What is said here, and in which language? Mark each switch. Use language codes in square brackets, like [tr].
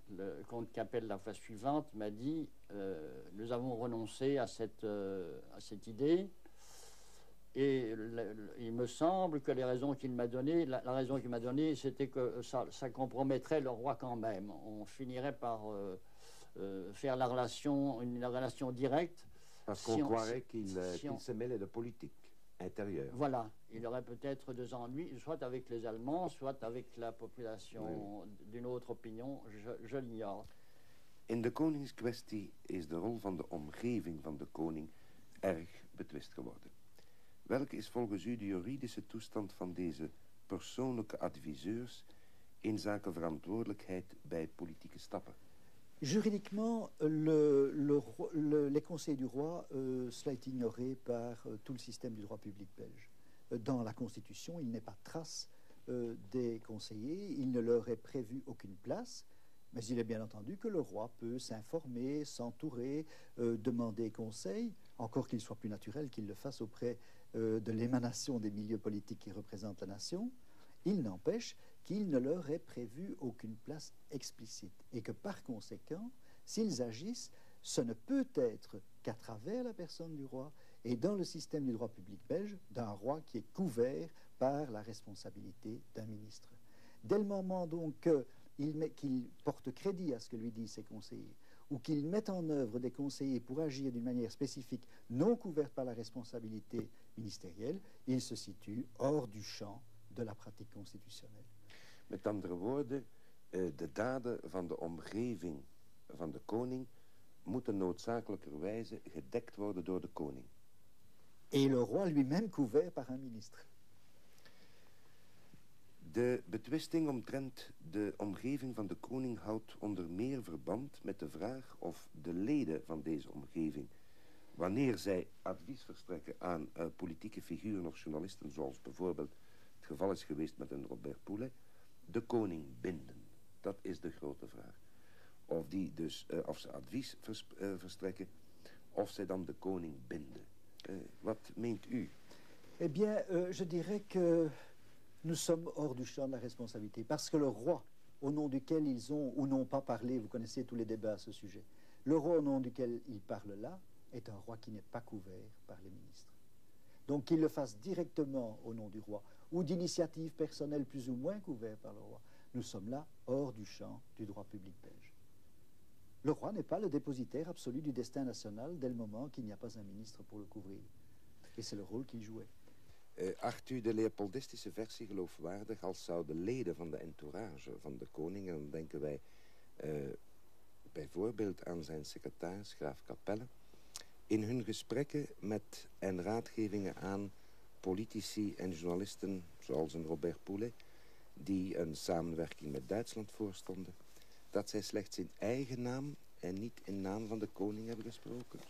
[fr] Le comte Capelle, la fois suivante, m'a dit « Nous avons renoncé à cette idée et il me semble que les raisons qu'il m'a données, la raison qu'il m'a donnée, c'était que ça compromettrait le roi quand même. On finirait par faire la relation, une relation directe. Parce qu'on croirait qu'il se mêlait de politique intérieure. Voilà, il aurait peut-être des ennuis, soit avec les Allemands, soit avec la population d'une autre opinion, je l'ignore. [nl] In de koningskwestie is de rol van de omgeving van de koning erg betwist geworden. Welke is volgens u de juridische toestand van deze persoonlijke adviseurs in zaken verantwoordelijkheid bij politieke stappen? [fr] Juridiquement, les conseils du roi, cela est ignoré par tout le système du droit public belge. Dans la Constitution, il n'est pas trace des conseillers, il ne leur est prévu aucune place, mais il est bien entendu que le roi peut s'informer, s'entourer, demander conseil, encore qu'il soit plus naturel qu'il le fasse auprès de l'émanation des milieux politiques qui représentent la nation. Il n'empêche qu'il ne leur est prévu aucune place explicite et que par conséquent, s'ils agissent, ce ne peut être qu'à travers la personne du roi et dans le système du droit public belge d'un roi qui est couvert par la responsabilité d'un ministre. Dès le moment donc qu'il porte crédit à ce que lui disent ses conseillers ou qu'il met en œuvre des conseillers pour agir d'une manière spécifique non couverte par la responsabilité ministérielle, il se situe hors du champ de la pratique constitutionnelle. [nl] Met andere woorden, de daden van de omgeving van de koning moeten noodzakelijkerwijze gedekt worden door de koning. [fr] Et le roi lui-même couvert par un ministre. [nl] De betwisting omtrent de omgeving van de koning houdt onder meer verband met de vraag of de leden van deze omgeving, wanneer zij advies verstrekken aan politieke figuren of journalisten, zoals bijvoorbeeld het geval is geweest met een Robert Poulet, de koning binden, dat is de grote vraag. Of die dus, of ze advies verstrekken, of zij dan de koning binden. Wat meent u? [fr] Eh bien, je dirais que nous sommes hors du champ de la responsabilité. Parce que le roi, au nom duquel ils ont ou n'ont pas parlé, vous connaissez tous les débats à ce sujet, le roi au nom duquel ils parlent là, est un roi qui n'est pas couvert par les ministres. Donc qu'ils le fassent directement au nom du roi, ou d'initiatives personnelles plus ou moins couvertes par le roi. Nous sommes là, hors du champ du droit public belge. Le roi n'est pas le dépositaire absolu du destin national dès le moment qu'il n'y a pas un ministre pour le couvrir. Et c'est le rôle qu'il jouait. [nl] Acht u de leopoldistische versie geloofwaardig als zouden leden van de entourage van de koning, en dan denken wij bijvoorbeeld aan zijn secretaris, graaf Capelle, in hun gesprekken met en raadgevingen aan politici en journalisten, zoals een Robert Poulet, die een samenwerking met Duitsland voorstonden, dat zij slechts in eigen naam en niet in naam van de koning hebben gesproken?